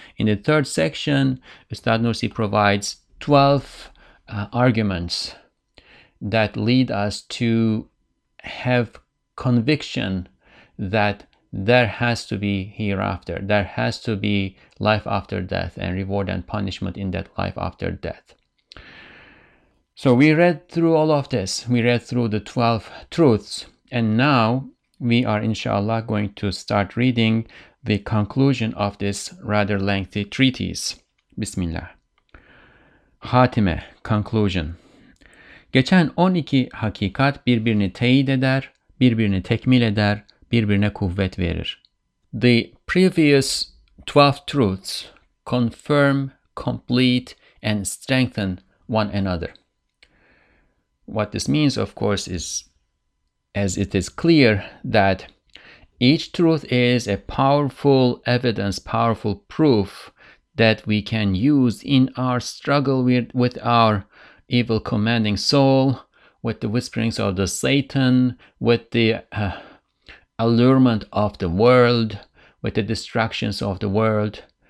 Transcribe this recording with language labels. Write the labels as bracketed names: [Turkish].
[English] In the third section, Ustad Nursi provides 12 arguments that lead us to have conviction that there has to be hereafter, there has to be life after death and reward and punishment in that life after death. So we read through all of this, we read through the 12 truths, and now We are inshallah going to start reading the conclusion of this rather lengthy treatise. Bismillah. Hatime, conclusion. [Turkish] Geçen 12 hakikat birbirini teyit eder, birbirini tekmil eder, birbirine kuvvet verir. [English] The previous 12 truths confirm, complete, and strengthen one another. What this means, of course, is as it is clear that each truth is a powerful evidence, powerful proof that we can use in our struggle with our evil commanding soul, with the whisperings of the Satan, with the allurement of the world, with the distractions of the world.